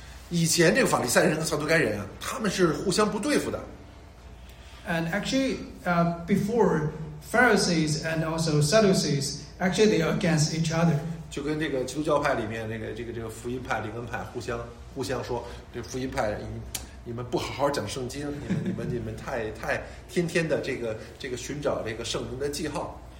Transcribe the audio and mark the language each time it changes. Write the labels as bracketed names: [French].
[Chinese] 以前这个法利赛人和撒都该人他们是互相不对付的 [English] And actually beforePharisees and also Sadducees actually they are against each other [Chinese] 就跟这个基督教派里面这个福音派灵恩派互相说这福音派你们不好好讲圣经你们太天天的这个寻找这个圣灵的记号